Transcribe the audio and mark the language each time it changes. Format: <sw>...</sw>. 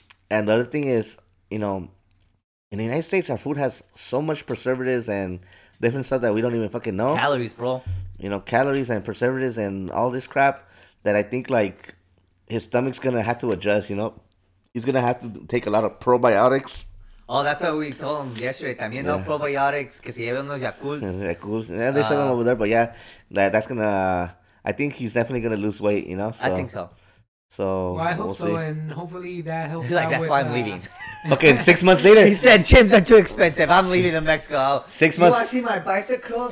<en>And the other thing is, you know, in the United States, our food has so much preservatives and different stuff that we don't even fucking know. Calories, bro. You know, calories and preservatives and all this crap that I think, like, his stomach's going to have to adjust, you know? He's going to have to take a lot of probiotics. Oh, that's what we told him yesterday.</en> <es>También</es> <en>no probiotics,</en> <es>que se lleve unos Yakults.</es> <en>Yakults. Yeah, they sell them over there. But, yeah, that's going to... I think he's definitely going to lose weight, you know? So, I think so. So, we'll see. And hopefully that helps out. Like, that's why I'm leaving. Okay, 6 months later. He said, gyms are too expensive. I'm leaving to Mexico. 6 months. You want to see my bicycles?</en>